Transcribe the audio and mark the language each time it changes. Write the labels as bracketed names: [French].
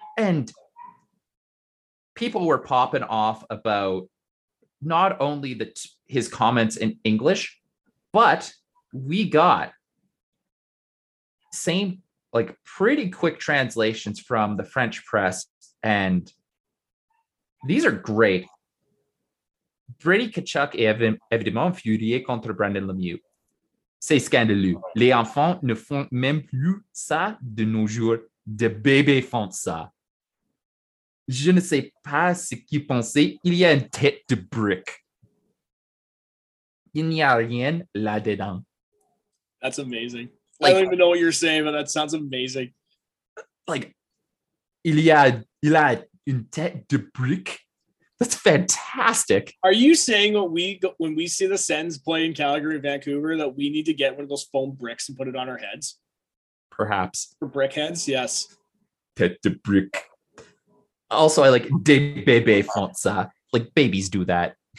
[English] And people were popping off about not only his comments in English, but we got same, like, pretty quick translations from the French press. And these are great. [French] Brady Tkachuk est évidemment furieux contre Brendan Lemieux. C'est scandaleux. Les enfants ne font même plus ça de nos jours. Des bébés font ça. Je ne sais pas ce qu'il pensait. Il y a une tête de brique. Il n'y a rien là-dedans. [English] That's amazing. Like, I don't even know what you're saying, but that sounds amazing. [French] Like, il y a une tête de brique. [English] That's fantastic. Are you saying when we see the Sens play in Calgary, Vancouver, that we need to get one of those foam bricks and put it on our heads? Perhaps. For brick heads, yes. [French] Tête de brique. [English] Also, I like [French] des bébés font ça. [English] Like, babies do that.